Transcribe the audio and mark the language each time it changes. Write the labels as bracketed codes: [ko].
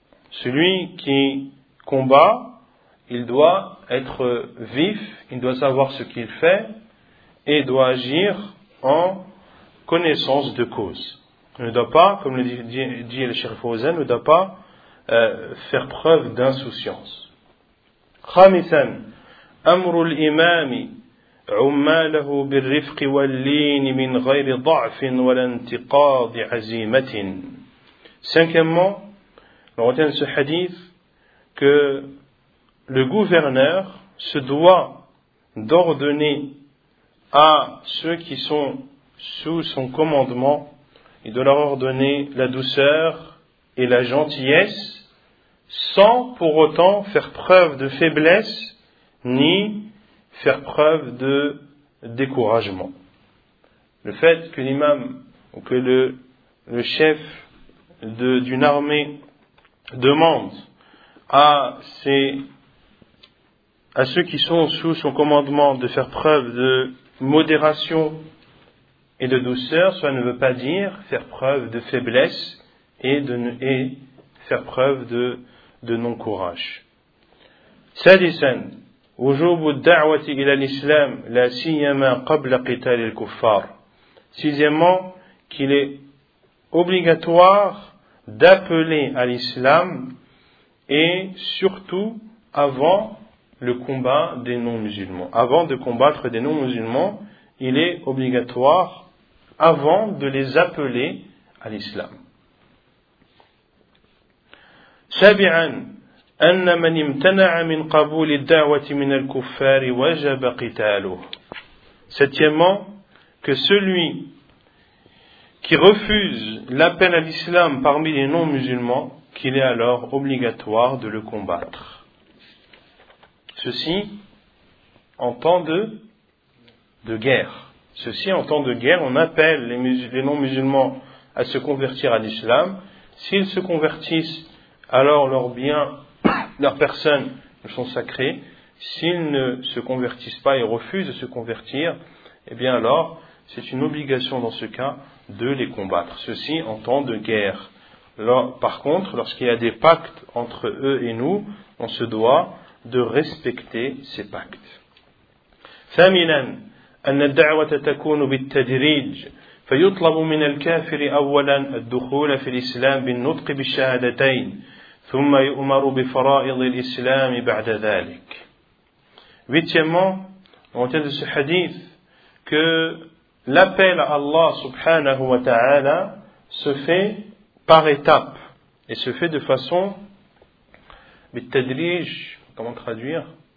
[fr] Celui qui combat, il doit être vif, il doit savoir ce qu'il fait et doit agir en connaissance de cause. Il ne doit pas, comme le dit le Cheikh Fawzan, ne doit pas faire preuve d'insouciance. [ar] Khamisan, amr al-imam عماله بالرفق واللين من غير ضعف ولا انتقاض عزيمة. [fr] Cinquièmement, on retient ce hadith que le gouverneur se doit d'ordonner à ceux qui sont sous son commandement et de leur ordonner la douceur et la gentillesse sans pour autant faire preuve de faiblesse ni faire preuve de découragement. Le fait que l'imam ou que le chef d'une armée demande à ceux qui sont sous son commandement de faire preuve de modération et de douceur, cela ne veut pas dire faire preuve de faiblesse et faire preuve de non-courage. [ar] Sadisan, وجوب الدعوة إلى الإسلام لا سيما قبل قتال الكفار. [fr] Sixièmement, qu'il est obligatoire d'appeler à l'islam et surtout avant le combat des non-musulmans. Avant de combattre des non-musulmans, il est obligatoire avant de les appeler à l'islam. [ar] سابعاً, أن من امتنع من قبول الدعوة من الكفار وجب قتاله. [fr] Septièmement, que celui qui refuse l'appel à l'islam parmi les non-musulmans, qu'il est alors obligatoire de le combattre. Ceci en temps de guerre. Ceci en temps de guerre, on appelle les non-musulmans à se convertir à l'islam. S'ils se convertissent alors leurs biens, leurs personnes ne sont sacrées. S'ils ne se convertissent pas et refusent de se convertir, eh bien alors, c'est une obligation dans ce cas de les combattre. Ceci en temps de guerre. Alors, par contre, lorsqu'il y a des pactes entre eux et nous, on se doit de respecter ces pactes. [ar] ثامنا أن الدعوة تكون بالتدريج فيطلب من الكافر أولا الدخول في الإسلام بالنطق بالشهادتين ثم يؤمر بفرائض الإسلام بعد ذلك. [fr] Huitièmement, on tient de ce hadith que l'appel à Allah [ar] subhanahu wa ta'ala [fr] se fait par étapes et se fait de façon [ar] بالتدريج, [fr] comment traduire ?